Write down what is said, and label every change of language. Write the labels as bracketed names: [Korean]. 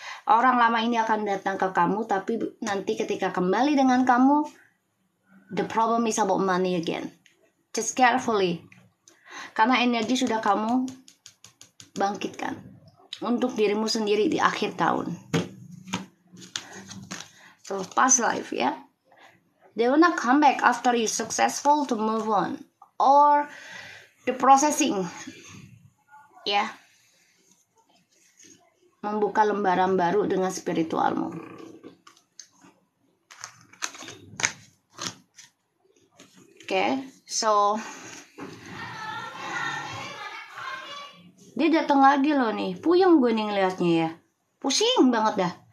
[Indonesian] Orang lama ini akan datang ke kamu, tapi nanti ketika kembali dengan kamu, [English] the problem is about money again. Just carefully. [Indonesian] Karena energi sudah kamu bangkitkan untuk dirimu sendiri di akhir tahun. [English] So, past life ya. They will not come back after you successful to move on or the processing, ya, yeah. [Indonesian] Membuka lembaran baru dengan spiritualmu. Okay, so dia datang lagi loh nih, puyeng gue nih ngeliatnya ya, pusing banget dah.